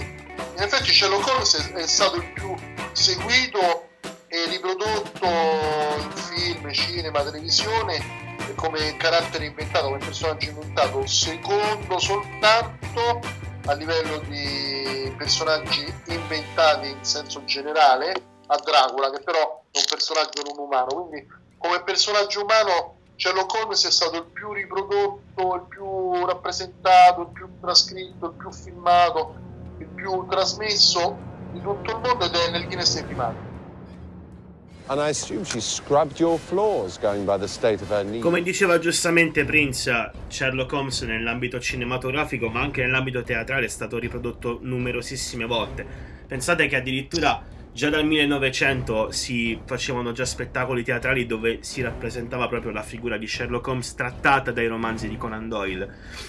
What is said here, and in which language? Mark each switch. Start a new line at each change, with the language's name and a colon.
Italian: In effetti Sherlock Holmes è stato il più seguito e riprodotto in film, cinema, televisione, come carattere inventato, come personaggio inventato, secondo soltanto a livello di personaggi inventati in senso generale a Dracula, che però è un personaggio non umano. Quindi come personaggio umano Sherlock Holmes è stato il più riprodotto, il più rappresentato, il più trascritto, il più filmato, il più trasmesso di tutto il mondo, ed è nel Guinness dei primati.
English: And I assume she scrubbed your floors going by the state of her knee.
Italian: Come diceva giustamente Prince, Sherlock Holmes nell'ambito cinematografico, ma anche nell'ambito teatrale, è stato riprodotto numerosissime volte. Pensate che addirittura già dal 1900 si facevano già spettacoli teatrali dove si rappresentava proprio la figura di Sherlock Holmes trattata dai romanzi di Conan Doyle.